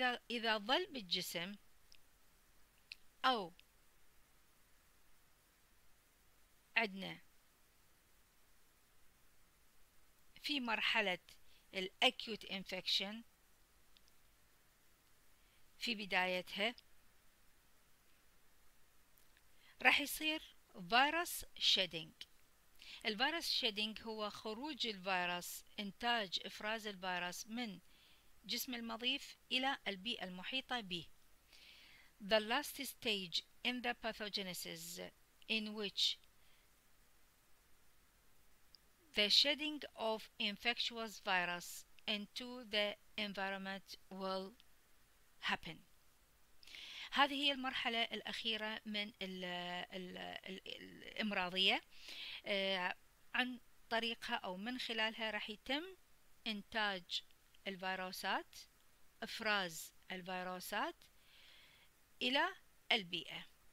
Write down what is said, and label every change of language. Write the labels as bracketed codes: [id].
[ar] إذا ظل بالجسم أو عندنا في مرحلة [en] acute infection [ar] في بدايتها، راح يصير [en] virus shedding. [ar] الفيروس شيدينج هو خروج الفيروس، انتاج افراز الفيروس من جسم المضيف الى البيئة المحيطة به. [en] The last stage in the pathogenesis in which the shedding of infectious virus into the environment will happen. [ar] هذه هي المرحلة الأخيرة من الإمراضية، عن طريقها أو من خلالها راح يتم إنتاج الفيروسات، إفراز الفيروسات إلى البيئة.